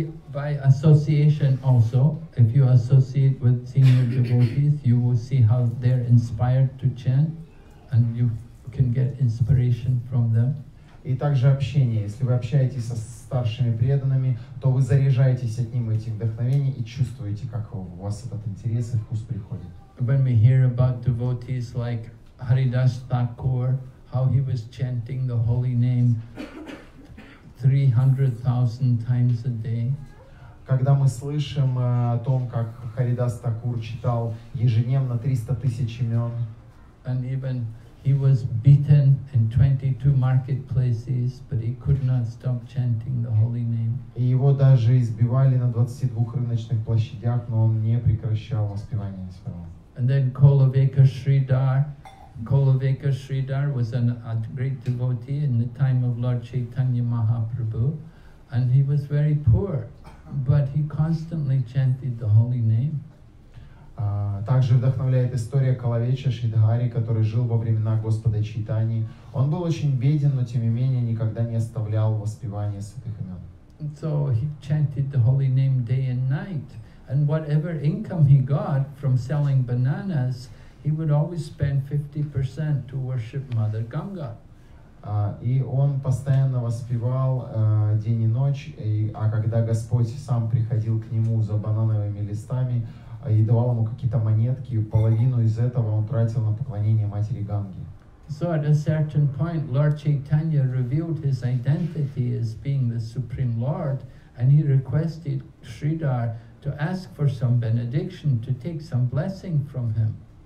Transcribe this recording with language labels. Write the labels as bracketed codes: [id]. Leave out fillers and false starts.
[en] By association also, if you associate with senior devotees, you will see how they're inspired to chant, and you can get inspiration from them. [ru] И также общение. Если вы общаетесь со старшими преданными, то вы заряжаетесь от них этих вдохновений и чувствуете, как у вас этот интерес и вкус приходит. [en] When we hear about devotees like Haridas Thakur, how he was chanting the holy name 300,000 times a day. [ru] Когда мы слышим о том, как Харидас Такур читал ежедневно 300 тысяч имен. [en] And even he was beaten in 22 marketplaces, but he could not stop chanting the holy name. [ru] И его даже избивали на 22 рыночных площадях, но он не прекращал воспевание своего. [en] And then Kolavika Sridhar, Koloveka Sridhar was a great devotee in the time of Lord Chaitanya Mahaprabhu, and he was very poor, but he constantly chanted the holy name. [ru] Также вдохновляет история Коловеча Шридхари, который жил во времена Господа Чайтани. Он был очень беден, но тем не менее никогда не оставлял воспевания святых имен. [en] So he chanted the holy name day and night, and whatever income he got from selling bananas, he would always spend 50% to worship Mother Ganga. [ru] И он постоянно воспевал день и ночь, а когда Господь сам приходил к нему за банановыми листами и давал ему какие-то монетки, половину из этого он тратил на поклонение матери Ганги. [en] So at a certain point, Lord Chaitanya revealed his identity as being the Supreme Lord, and he requested Sridhar to ask for some benediction, to take some blessing from him.